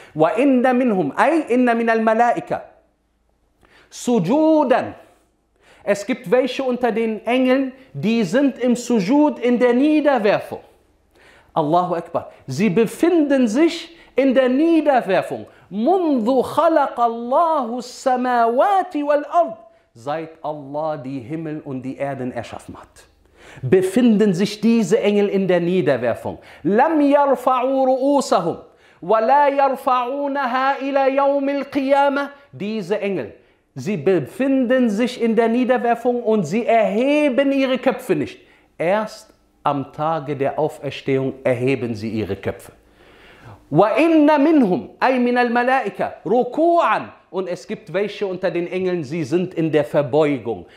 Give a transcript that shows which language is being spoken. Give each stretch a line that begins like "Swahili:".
Arabic: وَإِنَّ مِنْهُمْ أَيْ إِنَّ مِنَ الْمَلَائِكَةِ سُجُودًا.
German: Es gibt welche unter den Engeln, die sind im Sujud, in der Niederwerfung. Allahu Akbar. Sie befinden sich in der Niederwerfung.
Arabic: منذ خلق الله السماوات والأرض.
German: Seit Allah die Himmel und die Erden erschaffen hat, befinden sich diese Engel in der Niederwerfung.
Arabic: لَمْ يَرْفَعُوا رُؤُوسَهُمْ وَلَا يَرْفَعُونَهَا إِلَى يَوْمِ الْقِيَامَةِ. Diese Engel,
German: Sie befinden sich in der Niederwerfung und sie erheben ihre Köpfe nicht. Erst am Tage der Auferstehung erheben sie ihre Köpfe.
Arabic: وَإِنَّ مِنْهُمْ أَيْ مِنَ الْمَلَائِكَةِ رُكُوعًا.
German: Und es gibt welche unter den Engeln, sie sind in der Verbeugung.